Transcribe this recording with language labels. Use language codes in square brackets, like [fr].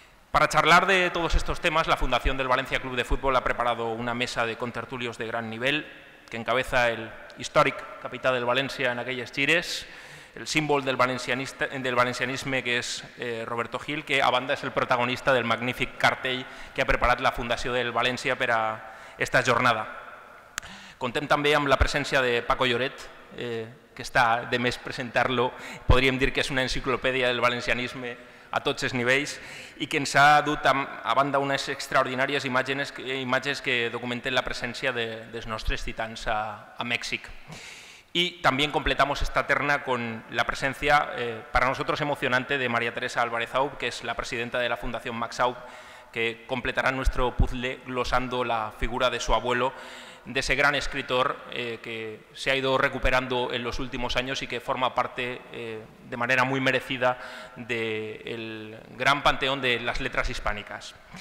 [es] Para charlar de todos estos temas, la Fundación del Valencia Club de Fútbol ha preparado una mesa de contertulios de gran nivel que encabeza el Historic Capital del Valencia en aquellas Chires, el símbolo del valencianisme que es Roberto Gil, que [ca] a banda [es] es el protagonista del magnífico cartel que ha preparado la Fundación del Valencia para esta jornada. [ca] Contem també amb la presencia de Paco Lloret, que está de mes presentarlo, podríem dir que és una enciclopèdia del valencianisme a tots els nivells i que ens ha dut a banda unes extraordinàries imatges que documenten la presència dels nostres titans a Mèxic. [es] Y también completamos esta terna con la presencia, para nosotros emocionante, de María Teresa Álvarez Aub, que es la presidenta de la Fundación Max Aub, que completará nuestro puzzle glosando la figura de su abuelo, de ese gran escritor que se ha ido recuperando en los últimos años y que forma parte de manera muy merecida del gran panteón de las letras hispánicas.